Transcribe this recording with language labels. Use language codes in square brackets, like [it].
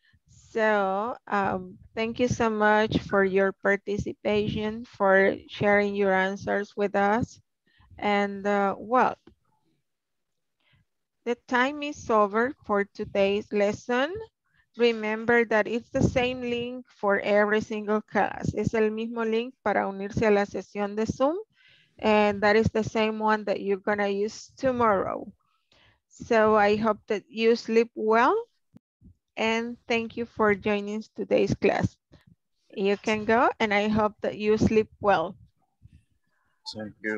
[en] So thank you so much for your participation, for sharing your answers with us. And well, the time is over for today's lesson. Remember that it's the same link for every single class. [es] Es el mismo link para unirse a la sesión de Zoom. [en] And that is the same one that you're gonna use tomorrow. So I hope that you sleep well. And thank you for joining today's class. You can go, and I hope that you sleep well. Thank you.